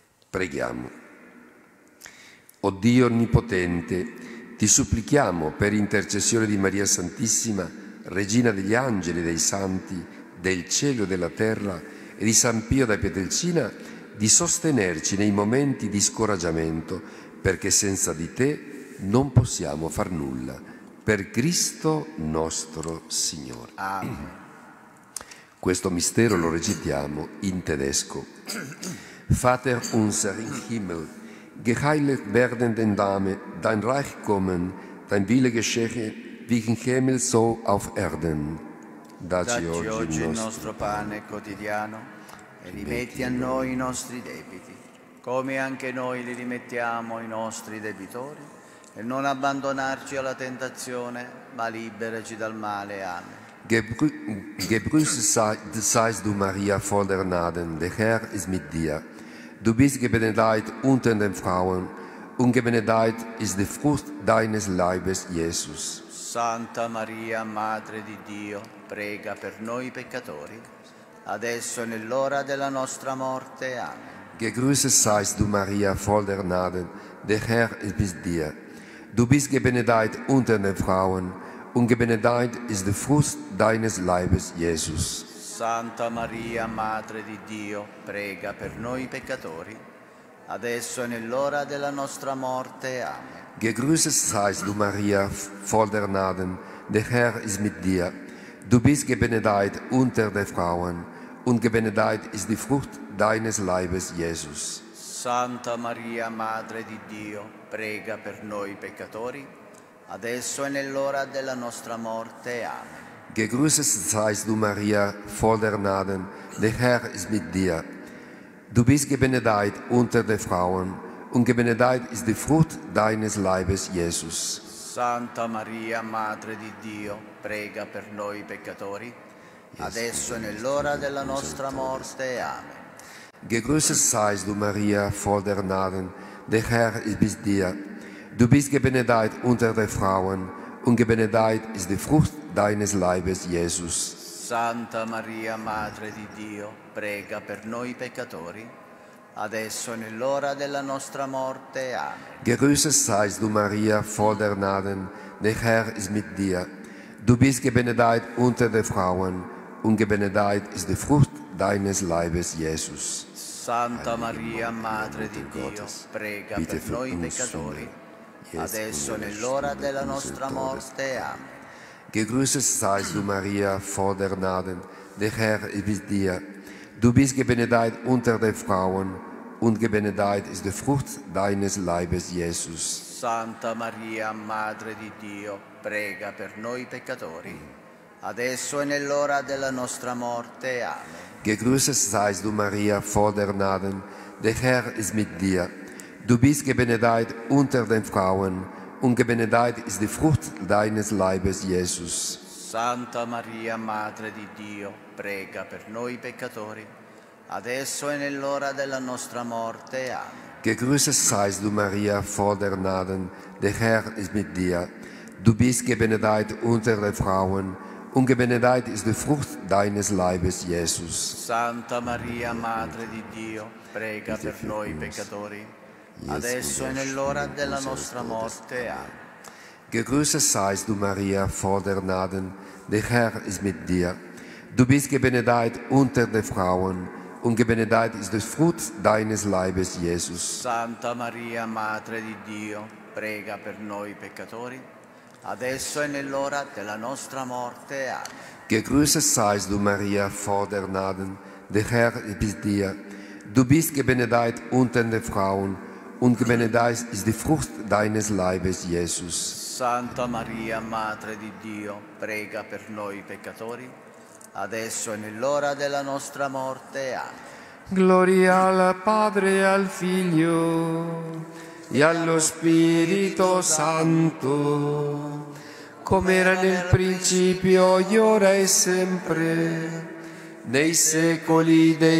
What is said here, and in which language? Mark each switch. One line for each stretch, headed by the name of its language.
Italian: Preghiamo. O Dio onnipotente, ti supplichiamo per intercessione di Maria Santissima, Regina degli angeli e dei santi, del cielo e della terra, e di San Pio da Pietrelcina, di sostenerci nei momenti di scoraggiamento, perché senza di te non possiamo far nulla. Per Cristo nostro Signore. Amen. Questo mistero lo recitiamo in tedesco.
German: Vater unser in Himmel, geheiligt werden dein Name, dein Reich kommen, dein Wille geschehe, wie in Himmel so auf Erden.
Italian: Dacci oggi il nostro pane quotidiano e rimetti a noi i nostri debiti, come anche noi li rimettiamo ai nostri debitori, e non abbandonarci alla tentazione, ma liberaci dal male. Amen.
German: Gegrüßt seist du, Maria, voll der Gnaden, der Herr ist mit dir. Du bist gebenedeit unter den Frauen, und gebenedeit ist die Frucht deines Leibes, Jesus.
Italian: Santa Maria, Madre di Dio, prega per noi peccatori, adesso nell'ora della nostra morte. Amen.
German: Gegrüßt seist du, Maria, voll der Gnaden, der Herr ist mit dir. Du bist gebenedeit unter den Frauen, und gebenedeit ist die Frucht deines Leibes, Jesus.
Italian: Santa Maria, Madre di Dio, prega per noi peccatori, adesso nell'ora della nostra morte. Amen.
German: Gegrüßt seist du, Maria, voll der Gnaden, der Herr ist mit dir. Du bist gebenedeit unter den Frauen, und gebenedeit ist die Frucht deines Leibes, Jesus.
Italian: Santa Maria, Madre di Dio, prega per noi peccatori, adesso è nell'ora della nostra morte. Amen.
German: Gegrüßt seist du, Maria, voll der Gnaden, der Herr ist mit dir. Du bist gebenedeit unter den Frauen, und gebenedeit ist die Frucht deines Leibes, Jesus.
Italian: Santa Maria, Madre di Dio, prega per noi peccatori, adesso è nell'ora della nostra morte. Amen.
German: Gegrüßt seist du, Maria, voll der Gnaden, der Herr ist mit dir. Du bist gebenedeit unter den Frauen, und gebenedeit ist die Frucht deines Leibes, Jesus.
Italian: Santa Maria, Madre di Dio, prega per noi peccatori, adesso nell'ora della nostra morte. Amen.
German: Gegrüßet seist du, Maria, voll der Gnaden, der Herr ist mit dir. Du bist gebenedeit unter den Frauen, und gebenedeit ist die Frucht deines Leibes, Jesus.
Italian: Santa Maria, Madre di Dio, prega per noi peccatori, adesso nell'ora della nostra morte. Amen.
German: Gegrüßet seist du, Maria, voll der Gnaden, der Herr ist mit dir. Du bist gebenedeit unter den Frauen, und gebenedeit ist die Frucht deines Leibes, Jesus.
Italian: Santa Maria, Madre di Dio, prega per noi peccatori, adesso è nell'ora della nostra morte. Amen.
German: Gegrüßet seist du, Maria, voll der Gnaden, der Herr ist mit dir. Du bist gebenedeit unter den Frauen, und gebenedeit ist die Frucht deines Leibes, Jesus.
Italian: Santa Maria, Madre di Dio, prega per noi peccatori, adesso è nell'ora della nostra morte. Amen.
German: Gegrüßet seist du, Maria, voll der Gnaden, der Herr ist mit dir. Du bist gebenedeit unter den Frauen, und gebenedeit ist die Frucht deines Leibes, Jesus.
Italian: Santa Maria, Madre di Dio, prega per noi peccatori, adesso è nell'ora della nostra morte. Amen.
German: Gegrüßet seist du, Maria, voll der Gnaden, der Herr ist mit dir. Du bist gebenedeit unter den Frauen, und gebenedeit ist die Frucht deines Leibes, Jesus.
Italian: Santa Maria, Madre di Dio, prega per noi peccatori, adesso è nell'ora della nostra morte. Amen.
German: Gegrüßet seist du, Maria, voll der Gnaden, der Herr ist mit dir. Du bist gebenedeit unter den Frauen, und gebenedeit ist die Frucht deines Leibes, Jesus.
Italian: Santa Maria, Madre di Dio, prega per noi peccatori, adesso è nell'ora della nostra morte. Amen. Gloria al Padre e al Figlio e allo Spirito Santo, come era nel principio, ora e sempre, nei secoli.